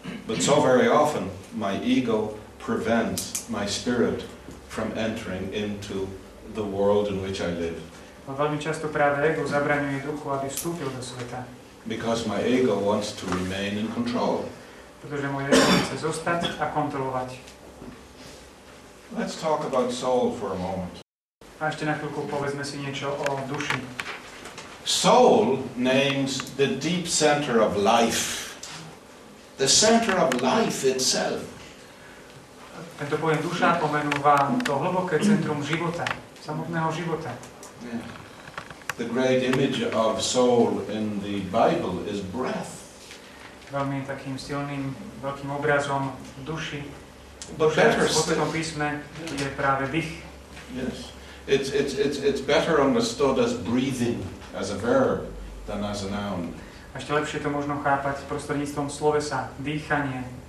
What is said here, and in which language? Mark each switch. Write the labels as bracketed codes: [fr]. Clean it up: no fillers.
[en] But so very often my ego prevents my spirit from entering into the world in which I live. [sk] Veľmi často práve ego zabraňuje duchu, aby vstúpil do sveta. [en] Because my ego wants to remain in control. [sk] pretože moje telo chce zostať a kontrolovať. [en] Let's talk about soul for a moment. [sk] A ešte na chvíľku povedzme si niečo o duši. [en] Soul names the deep center of life. The center of life itself. [sk] Tento pojem duša pomenúva to hlboké centrum života, samotného života. [en] The great image of soul in the Bible is breath. [sk] Veľmi takým silným, veľkým obrazom duši. Duša v Svetom písme je práve dých. [en] Yes. It's better understood as breathing, as a verb, than as a noun. [sk] A ešte lepšie to možno chápať prostredníctvom slovesa, dýchanie.